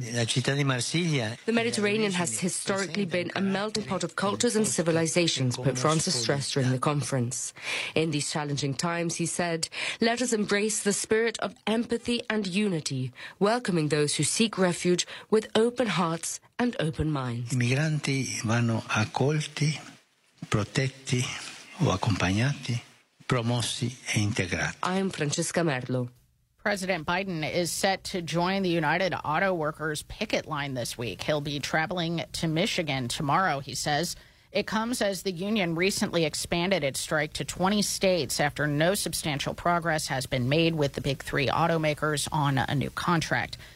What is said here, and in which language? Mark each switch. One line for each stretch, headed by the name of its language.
English: The Mediterranean has historically been a melting pot of cultures and civilizations, Pope Francis stressed during the conference. In these challenging times, he said, let us embrace the spirit of empathy and unity, welcoming those who seek refuge with open hearts and open minds.
Italian: Migranti vanno accolti, protetti o accompagnati, promossi e integrati.
English: I'm Francesca Merlo. President Biden is set to join the United Auto Workers picket line this week. He'll be traveling to Michigan tomorrow, he says. It comes as the union recently expanded its strike to 20 states after no substantial progress has been made with the big three automakers on a new contract.